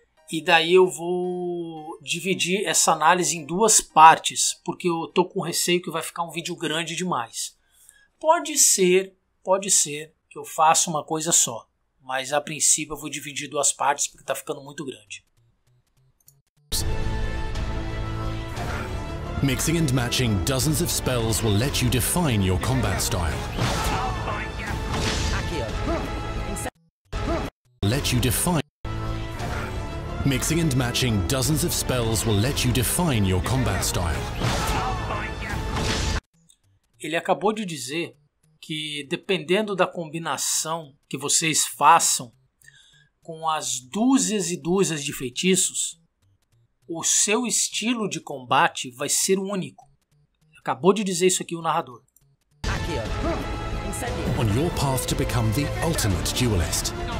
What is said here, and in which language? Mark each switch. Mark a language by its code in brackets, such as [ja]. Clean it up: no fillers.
[pt] E daí eu vou dividir essa análise em duas partes, porque eu tô com receio que vai ficar um vídeo grande demais. Pode ser que eu faça uma coisa só. Mas a princípio eu vou dividir duas partes porque tá ficando muito grande. [en] Mixing and matching dozens of spells will let you define your combat style. Let you define. Mixing and matching dozens of spells will let you define your combat style. [pt] Ele acabou de dizer que dependendo da combinação que vocês façam com as dúzias e dúzias de feitiços, o seu estilo de combate vai ser único. Acabou de dizer isso aqui o narrador. [en] On your path to become the ultimate duelist.